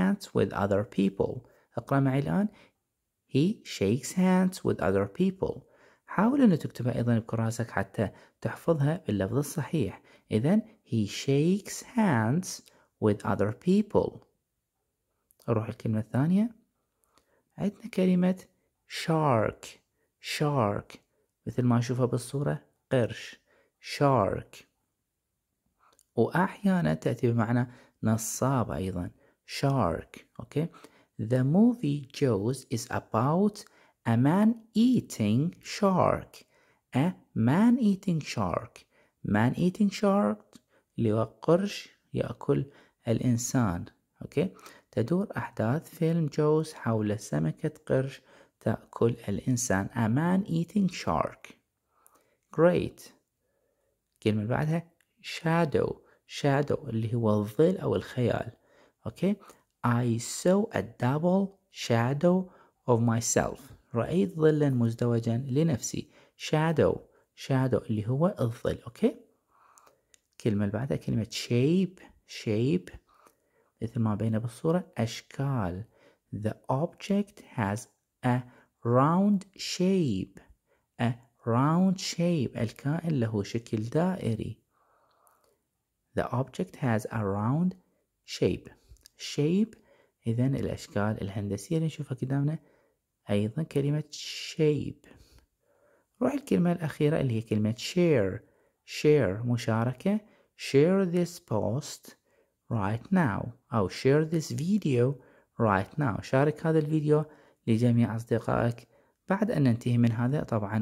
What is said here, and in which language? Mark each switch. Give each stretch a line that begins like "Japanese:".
English: he shakes hands with other people.
Arabic: اقرأ معي الآن،
English: he shakes hands with other people.
Arabic: حاول أن تكتبها أيضا بكراسك حتى تحفظها باللفظ الصحيح.
English: إذن he shakes hands with other people.
Arabic: أروح الكلمة الثانية، عندنا كلمة shark مثل ما أشوفها بالصورة، قرش shark، وأحيانا تأتي بمعنى نصاب أيضا shark.
English: Okay, the movie Jaws is about a man eating shark. A man eating shark. Man eating shark
Arabic: اللي هو قرش يأكل الإنسان. أوكي، تدور أحداث فيلم جوز حول سمكة قرش تأكل الإنسان.
English: A man eating shark. Great.
Arabic: كلمة بعدها shadow. Shadow اللي هو الظل أو الخيال.
English: Okay, I saw a double shadow of myself.
Arabic: رأيت ظلا مزدوجا لنفسي. Shadow اللي هو الظل. أوكي، كلمة بعدها كلمة shape مثل ما بينه بالصورة، أشكال.
English: The object has a round shape. A round shape،
Arabic: الكائن له شكل دائري.
English: The object has a round shape.
Arabic: إذن الأشكال الهندسية اللي نشوفها قدامنا أيضا كلمة shape. روح الكلمة الأخيرة اللي هي كلمة share مشاركة.
English: share this post right now
Arabic: أو
English: share this video right now،
Arabic: شارك هذا الفيديو لجميع أصدقائك بعد أن ننتهي من هذا طبعا.